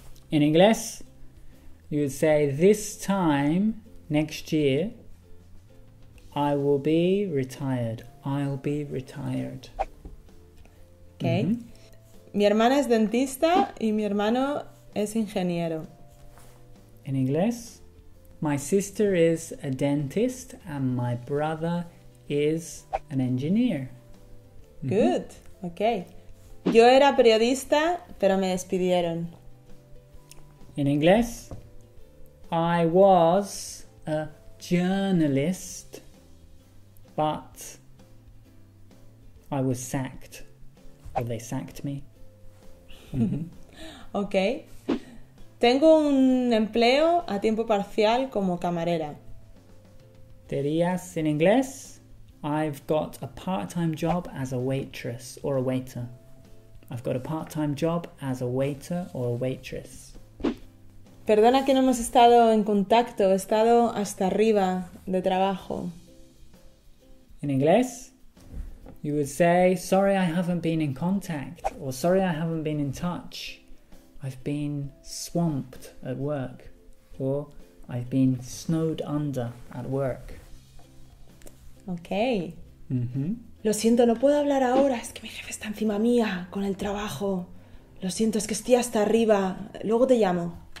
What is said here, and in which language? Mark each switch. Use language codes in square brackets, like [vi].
[en] In English, you would say, this time, next year, I will be retired. I'll be retired. Okay. Mm-hmm. [es] Mi hermana es dentista y mi hermano es ingeniero. [en] In English, my sister is a dentist and my brother is an engineer. [es] Mm-hmm. [en] Good, okay. [es] Yo era periodista, pero me despidieron. [en] In English, I was a journalist, but I was sacked, or they sacked me. Mm-hmm. Ok. [es] Tengo un empleo a tiempo parcial como camarera. Dirías en inglés, [en] I've got a part-time job as a waitress or a waiter. I've got a part-time job as a waiter or a waitress. [es] Perdona que no hemos estado en contacto, he estado hasta arriba de trabajo. En inglés, [en] you would say, sorry I haven't been in contact, or sorry I haven't been in touch. I've been swamped at work, or I've been snowed under at work. Okay. Mm-hmm. [es] Lo siento, no puedo hablar ahora, es que mi jefe está encima mía con el trabajo. Lo siento, es que estoy hasta arriba, luego te llamo.